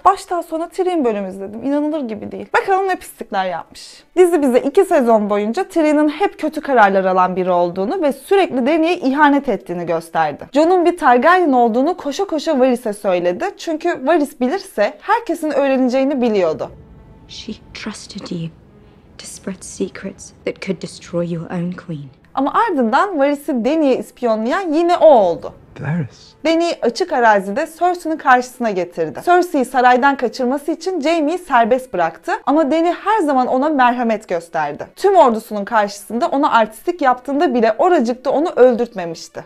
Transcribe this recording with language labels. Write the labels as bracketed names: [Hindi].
[Turkish] Baştan sona Tyrion bölümü izledim. İnanılır gibi değil. Bakalım ne pislikler yapmış. Dizi bize 2 sezon boyunca Tyrion'un hep kötü kararlar alan biri olduğunu ve sürekli Dany'e ihanet ettiğini gösterdi. Jon'un bir Targaryen olduğunu koşa koşa Varys'e söyledi. Çünkü Varys bilirse herkesin öğreneceğini biliyordu. [English] She trusted you to spread secrets that could destroy your own queen. [Turkish] Ama ardından Varys'i Dany'e ispiyonlayan yine o oldu. Varys. Dany'i açık arazide Cersei'nin karşısına getirdi. Cersei'yi saraydan kaçırması için Jaime'yi serbest bıraktı ama Dany her zaman ona merhamet gösterdi. Tüm ordusunun karşısında ona artistik yaptığında bile oracıkta onu öldürtmemişti.